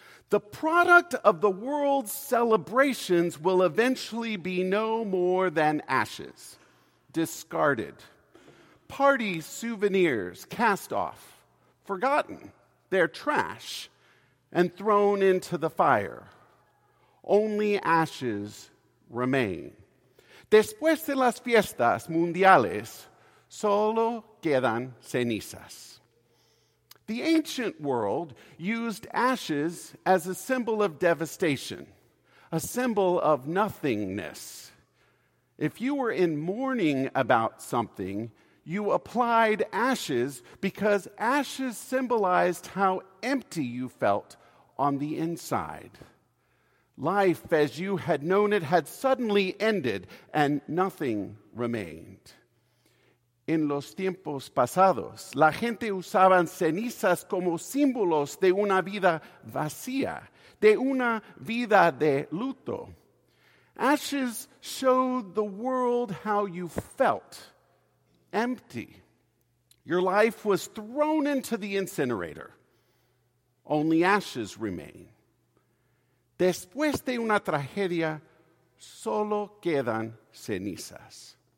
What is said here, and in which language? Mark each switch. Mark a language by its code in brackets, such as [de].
[en] The product of the world's celebrations will eventually be no more than ashes, discarded. Party souvenirs cast off, forgotten, their trash, and thrown into the fire. Only ashes remain. [es] Después de las fiestas mundiales, solo quedan cenizas. [en] The ancient world used ashes as a symbol of devastation, a symbol of nothingness. If you were in mourning about something, you applied ashes because ashes symbolized how empty you felt on the inside. Life as you had known it had suddenly ended and nothing remained. [es] En los tiempos pasados, la gente usaban cenizas como símbolos de una vida vacía, de una vida de luto. [en] Ashes showed the world how you felt, empty. Your life was thrown into the incinerator. Only ashes remain. [es] Después de una tragedia, solo quedan cenizas.